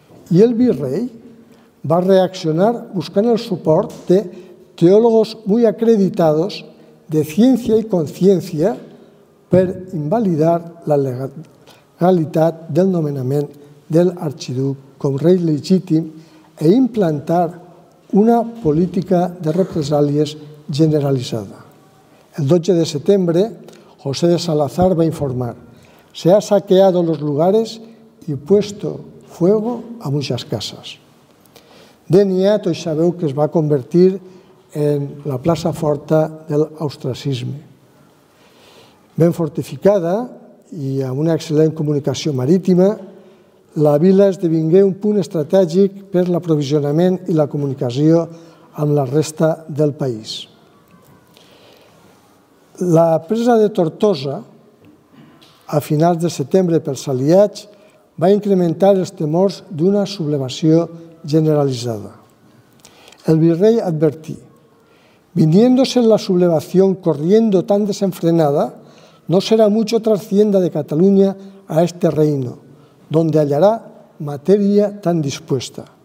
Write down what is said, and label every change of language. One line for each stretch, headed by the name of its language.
Catalan: I el virrei va reaccionar buscant el suport de teòlegos
Spanish: muy acreditados
Catalan: de ciència i consciència per invalidar la legalitat del nomenament de l'arxiduc com rei legítim e implantar una política de represàlies generalitzada. El 12 de setembre, José de Salazar va informar:
Spanish: se ha saqueado los lugares y puesto fuego a muchas casas.
Catalan: Dénia, tots sabeu que es va convertir en la plaça forta de l'ostracisme. Ben fortificada i amb una excel·lent comunicació marítima, la vila esdevingué un punt estratègic per l'aprovisionament i la comunicació amb la resta del país. La presa de Tortosa, a finals de setembre pels aliats, va incrementar els temors d'una sublevació generalitzada. El virrei advertí:
Spanish: viniéndose la sublevación corriendo tan desenfrenada, no será mucho trascienda de Cataluña a este reino, donde hallará materia tan dispuesta.